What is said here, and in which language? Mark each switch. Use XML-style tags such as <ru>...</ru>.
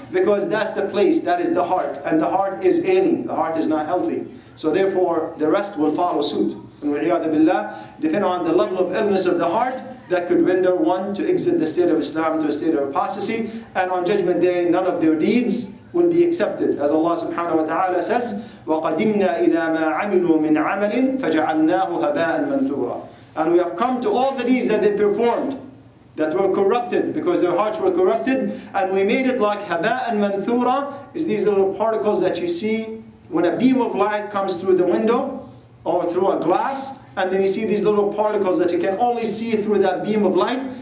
<en>Because that's the place, that is the heart. And the heart is ailing, the heart is not healthy. So therefore, the rest will follow suit. And wa'iyadu billah, depending on the level of illness of the heart, that could render one to exit the state of Islam to a state of apostasy. And on Judgment Day, none of their deeds will be accepted. As Allah subhanahu wa ta'ala says,</en> <ar>وَقَدِمْنَا إِلَى مَا عَمِلُوا مِنْ عَمَلٍ فَجَعَلْنَاهُ هَبَاءً مَنْثُورًا.</ar> <en>And we have come to all the deeds that they performed that were corrupted, because their hearts were corrupted, and we made it like haba'an manthura, is these little particles that you see when a beam of light comes through the window or through a glass, and then you see these little particles that you can only see through that beam of light.</en>